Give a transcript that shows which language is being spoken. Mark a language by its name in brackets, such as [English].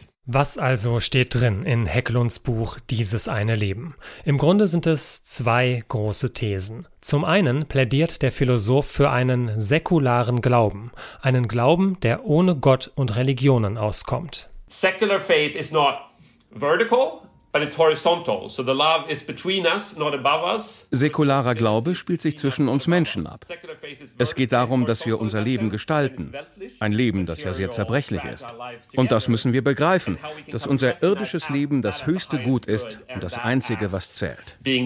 [German] Was also steht drin in Hägglunds Buch »Dieses eine Leben«? Im Grunde sind es zwei große Thesen. Zum einen plädiert der Philosoph für einen säkularen Glauben, einen Glauben, der ohne Gott und Religionen auskommt. [English] Secular faith is not vertical. But it's horizontal, so the love is between us, not above us. [German] Säkularer Glaube spielt sich zwischen uns Menschen ab. Es geht darum, dass wir unser Leben gestalten. Ein Leben, das ja sehr zerbrechlich ist. Und das müssen wir begreifen, dass unser irdisches Leben das höchste Gut ist und das Einzige, was zählt.